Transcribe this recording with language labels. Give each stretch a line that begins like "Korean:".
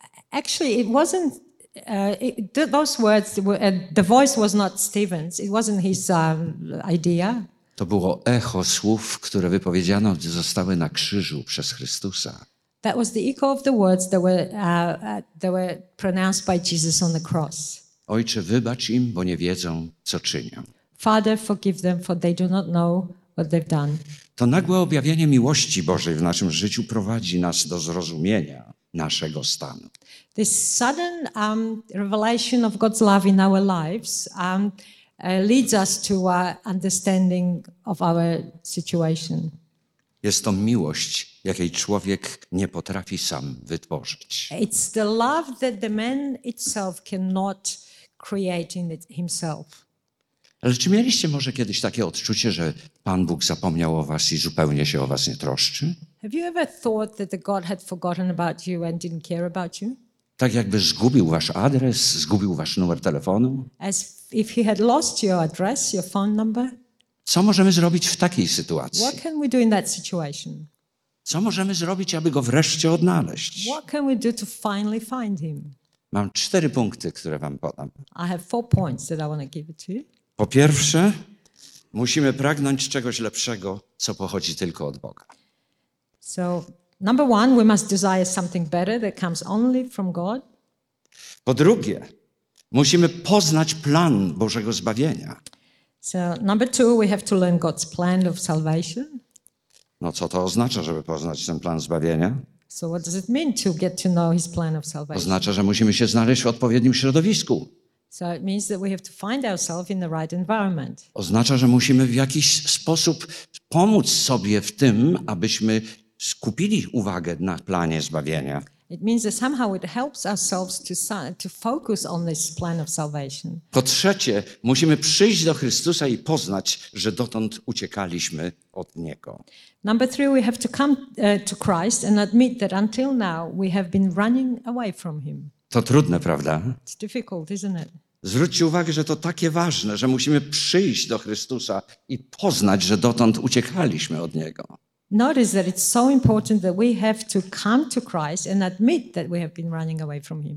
English: Actually, it wasn't those words. The voice was not Stephen's. It wasn't his idea.
Polish: To było echo słów, które wypowiedziano, zostały na krzyżu przez Chrystusa.
English: That was the echo of the words that were pronounced by Jesus on the cross.
Polish: Ojcze, wybacz im, bo nie wiedzą, co czynią.
English: Father, forgive them, for they do not know what they've done.
Polish: To nagłe objawienie miłości Bożej w naszym życiu prowadzi nas do zrozumienia naszego stanu.
English: This sudden revelation of God's love in our lives leads us to our understanding of our situation.
Polish: Jest to miłość, jakiej człowiek nie potrafi sam wytworzyć.
English: It's the love that the man itself cannot create in himself.
Polish: Ale czy mieliście może kiedyś takie odczucie, że Pan Bóg zapomniał o was i zupełnie się o was nie troszczy?
English: Have you ever thought that the God had forgotten about you and didn't care about you?
Polish: Tak jakby zgubił wasz adres, zgubił wasz numer telefonu?
English: As if he had lost your address, your phone number?
Polish: Co możemy zrobić w takiej sytuacji?
English: What can we do in that situation?
Polish: Co możemy zrobić, aby go wreszcie odnaleźć?
English: What can we do to finally find him?
Polish: Mam cztery punkty, które wam podam.
English: I have four points that I want to give to you.
Polish: Po pierwsze, musimy pragnąć czegoś lepszego, co pochodzi tylko od Boga.
English: So, number one, we must desire something better that comes only from God.
Polish: Po drugie, musimy poznać plan Bożego zbawienia.
English: So, number two, we have to learn God's plan of salvation.
Polish: No co to oznacza, żeby poznać ten plan zbawienia?
English: So, what does it mean to get to know his plan of salvation?
Polish: Oznacza, że musimy się znaleźć w odpowiednim środowisku.
English: So it means that we have to find ourselves in the right environment.
Polish: Oznacza, że musimy w jakiś sposób pomóc sobie w tym, abyśmy skupili uwagę na planie zbawienia.
English: It means that somehow it helps ourselves to focus on this plan of salvation.
Polish: Po trzecie, musimy przyjść do Chrystusa i poznać, że dotąd uciekaliśmy od Niego.
English: Number three, we have to come to Christ and admit that until now we have been running away from him.
Polish: To trudne, prawda?
English: It's difficult, isn't it?
Polish: Zwróćcie uwagę, że to takie ważne, że musimy przyjść do Chrystusa i poznać, że dotąd uciekaliśmy od Niego.
English: Notice that it's so important that we have to come to Christ and admit that we have been running away from him.